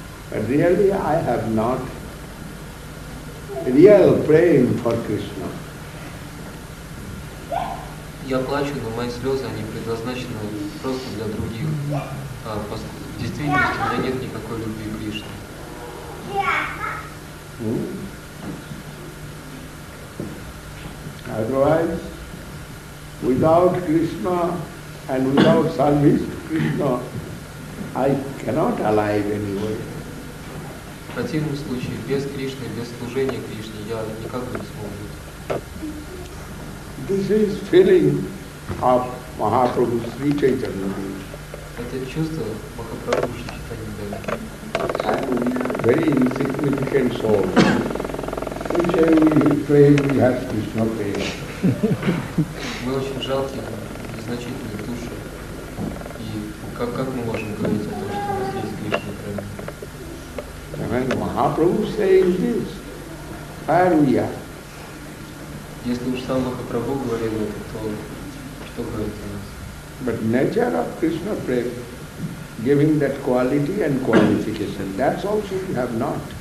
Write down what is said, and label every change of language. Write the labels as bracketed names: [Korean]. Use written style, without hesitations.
[English] But really I have not real praying for Krishna. [Russian] Я плачу, но мои слезы, они предназначены просто для других. В действительности у меня нет никакой любви к Кришне. [English] Otherwise, without Krishna and without service to Krishna, I cannot alive anyway. [Russian] В противном случае, без Кришны, без служения Кришне, я никак не смогу жить. [English] This is feeling of Mahaprabhu Sri Chaitanya. [Russian] Это чувство Махапрабху Шри Чайтаньи Деви. [English] And very insignificant soul. Which we claim we have Krishna prema. [Russian] Мы очень жалкие, незначительные души. И как мы можем говорить о том, что у нас есть Кришна према? [English] And when Mahaprabhu says this, where we are? [Russian] Если уж сам Махапрабху говорил это, то что говорит о нас? [English] But nature of Krishna prema, giving that quality and qualification, that's also we have not.